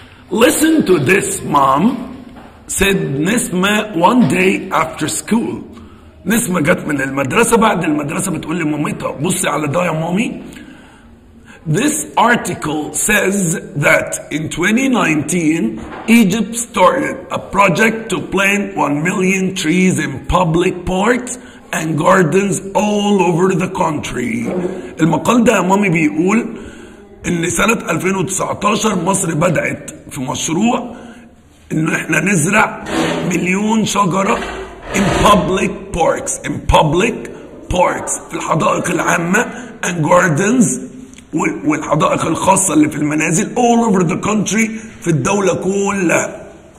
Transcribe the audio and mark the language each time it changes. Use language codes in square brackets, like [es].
[en] Listen to this, mom, said Nisma one day after school. [ar] نسمة جت من المدرسة بعد المدرسة بتقول لمامتها بصي على ده يا مامي. [en] This article says that in 2019, Egypt started a project to plant 1 million trees in public parks and gardens all over the country. [ar] المقال ده مامي بيقول ان سنة 2019 مصر بدأت في مشروع ان احنا نزرع مليون شجرة [en] in public parks [ar] في الحدائق العامة [en] and gardens [ar] والحدائق الخاصة اللي في المنازل [en] all over the country [ar] في الدولة كلها.